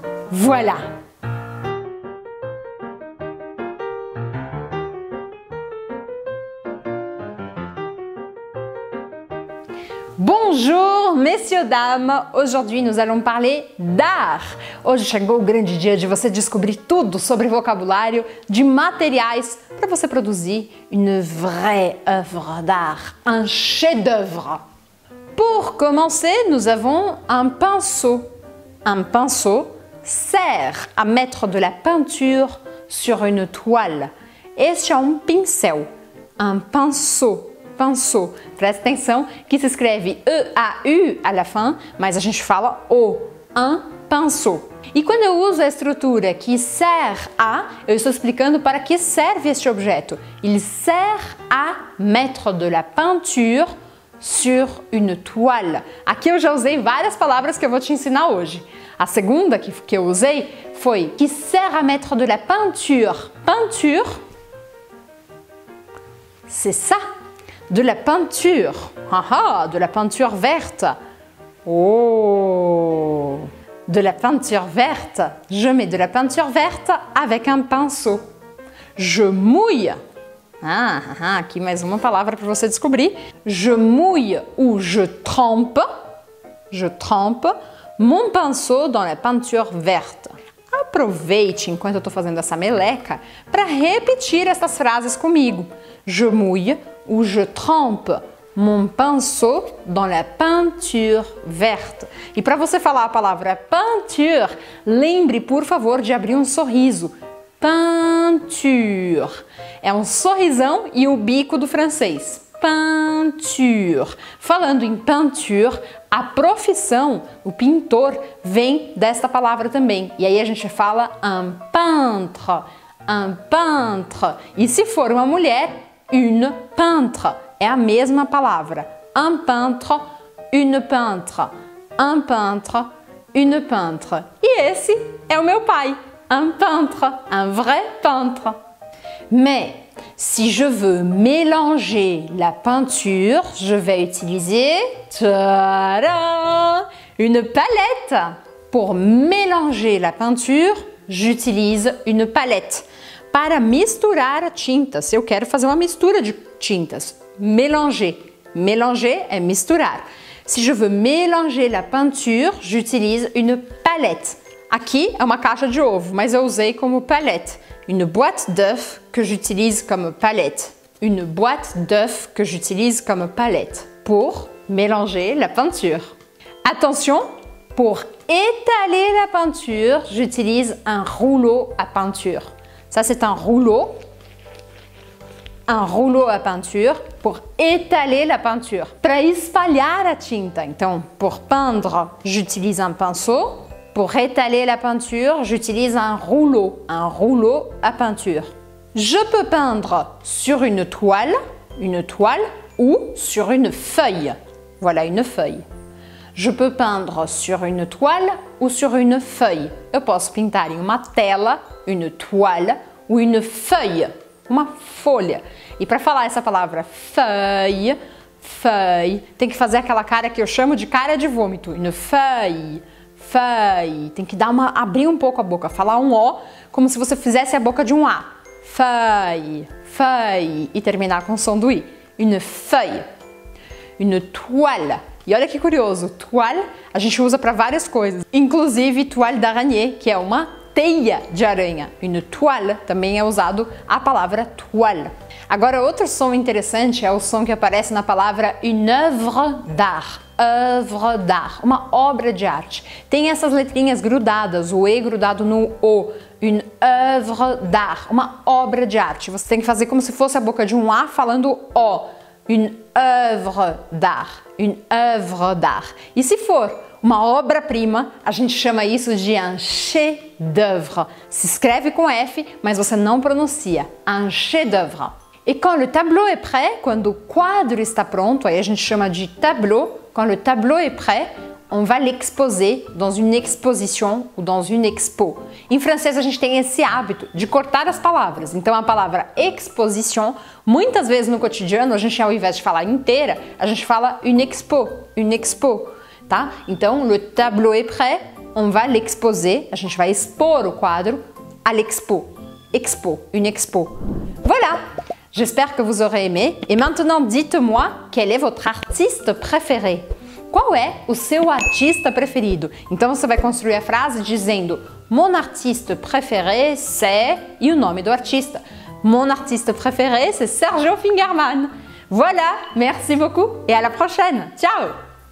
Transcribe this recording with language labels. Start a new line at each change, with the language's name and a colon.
French: Voilà. Bonjour, messieurs, dames. Aujourd'hui, nous allons parler d'art.
Portuguese: Hoje chegou o grande dia de você descobrir tudo sobre vocabulário, de materiais para você produzir
French: une vraie œuvre d'art, un chef-d'œuvre. Pour commencer, nous avons un pinceau. Un pinceau sert à mettre de la peinture sur une toile.
Portuguese: Este é pincel,
French: un pinceau. Pinceau.
Portuguese: Presta atenção que se escreve E-A-U
French: à la fin,
Portuguese: mas a gente fala O.
French: Un pinceau.
Portuguese: E quando eu uso a estrutura
French: que sert à,
Portuguese: eu estou explicando para que serve este objeto.
French: Il sert à mettre de la peinture sur une toile.
Portuguese: Aqui eu já usei várias palavras que eu vou te ensinar hoje. A segunda que eu usei foi
French: que sert à mettre de la peinture. Peinture, c'est ça. De la peinture. Ah ah, de la peinture verte. Oh, de la peinture verte. Je mets de la peinture verte avec un pinceau. Je mouille.
Portuguese: Ah, aqui mais uma palavra para você descobrir.
French: Je mouille ou je trempe. Je trempe mon pinceau dans la peinture verte.
Portuguese: Aproveite enquanto eu estou fazendo essa meleca para repetir essas frases comigo.
French: Je mouille ou je trempe mon pinceau dans la peinture verte.
Portuguese: E para você falar a palavra peinture, lembre, por favor, de abrir um sorriso. Peinture. É um sorrisão e o bico do francês. Peinture. Falando em peinture, a profissão, o pintor, vem desta palavra também. E aí a gente fala
French: un peintre. Un peintre.
Portuguese: E se for uma mulher,
French: une peintre.
Portuguese: É a mesma palavra.
French: Un peintre, une peintre. Un peintre, une peintre.
Portuguese: E esse é o meu pai.
French: Un peintre. Un vrai peintre. Mais, si je veux mélanger la peinture, je vais utiliser... Ta-da! Une palette. Pour mélanger la peinture, j'utilise une palette.
Portuguese: Para misturar tintas, eu quero fazer uma mistura de tintas.
French: Mélanger. Mélanger
Portuguese: é misturar.
French: Si je veux mélanger la peinture, j'utilise une palette.
Portuguese: Aqui é uma caixa de ovo, mas eu usei como palette.
French: Une boîte d'œuf que j'utilise comme palette. Une boîte d'œuf que j'utilise comme palette. Pour mélanger la peinture. Attention, pour étaler la peinture, j'utilise un rouleau à peinture. Ça, c'est un rouleau. Un rouleau à peinture pour étaler la peinture.
Portuguese: Para espalhar a tinta. Então,
French: pour peindre, j'utilise un pinceau. Pour étaler la peinture, j'utilise un rouleau à peinture. Je peux peindre sur une toile ou sur une feuille. Voilà, une feuille. Je peux peindre sur une toile ou sur une feuille.
Portuguese: Eu posso pintar em uma tela,
French: une toile ou une feuille.
Portuguese: Uma folha. E para falar essa palavra feuille, feuille, tem que fazer aquela cara que eu chamo de cara de vômito. Une feuille. Feuille. Tem que dar uma, abrir um pouco a boca, falar um O, como se você fizesse a boca de um A. Feuille, feuille. E terminar com o som do I.
French: Une feuille. Une toile.
Portuguese: E olha que curioso, toile a gente usa para várias coisas. Inclusive
French: toile d'araignée,
Portuguese: que é uma teia de aranha. Une toile também é usado a palavra toile. Agora, outro som interessante é o som que aparece na palavra
French: une œuvre d'art.
Portuguese: Œuvre d'art, uma obra de arte. Tem essas letrinhas grudadas, o E grudado no O.
French: Une œuvre d'art,
Portuguese: uma obra de arte. Você tem que fazer como se fosse a boca de um A falando O.
French: Une œuvre d'art, une œuvre d'art.
Portuguese: E se for uma obra-prima, a gente chama isso de
French: un chef-d'œuvre.
Portuguese: Se escreve com F, mas você não pronuncia.
French: Un chef-d'œuvre. Et quand le tableau est prêt,
Portuguese: quando o quadro está pronto, aí a gente chama de tableau.
French: Quand le tableau est prêt, on va l'exposer dans une exposition ou dans une expo.
Portuguese: Em francês, a gente tem esse hábito de cortar as palavras. Então, a palavra exposition, muitas vezes no cotidiano, a gente, ao invés de falar inteira, a gente fala
French: une expo,
Portuguese: tá? Então,
French: le tableau est prêt, on va l'exposer,
Portuguese: a gente vai expor o quadro
French: à l'expo. Expo, une expo. Voilà! J'espère que vous aurez aimé. Et maintenant, dites-moi quel est votre artiste préféré.
Portuguese: Qual é o seu artista preferido? Então, você vai construir a frase dizendo
French: mon artiste préféré, c'est...
Portuguese: E o nome do artista.
French: Mon artiste préféré, c'est Sergio Fingerman. Voilà! Merci beaucoup et à la prochaine! Ciao!